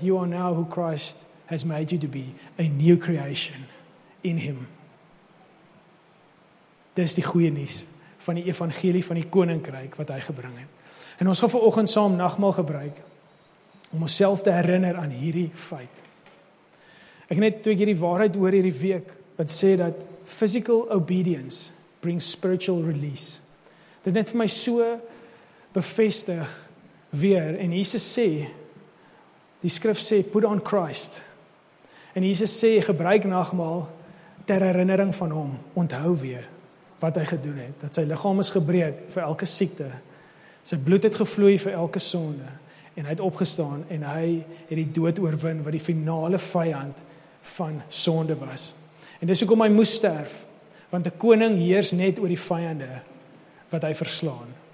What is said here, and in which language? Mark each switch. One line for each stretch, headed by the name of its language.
English: You are now who Christ has made you to be. A new creation in him.
Afrikaans: Dis die goeie nuus van die evangelie van die koninkryk wat hy gebring het. En ons gaan vanoggend saam nagmaal gebruik om onsself te herinner aan hierdie feit. Ek net toe ek hierdie waarheid oor hierdie week wat sê dat
English: physical obedience brings spiritual release.
Afrikaans: Dit net vir my so bevestig weer. En Jesus sê, die skrif sê,
English: put on Christ.
Afrikaans: En Jesus sê, gebruik nagmaal ter herinnering van hom. Onthou weer wat hy gedoen het. Dat sy liggaam is gebreek vir elke siekte. Sy bloed het gevloei vir elke sonde. En hy het opgestaan en hy het die dood oorwin wat die finale vyand van sonde was. En dis hoekom hy moes sterf, want 'n koning heers net oor die vyande wat hy verslaan.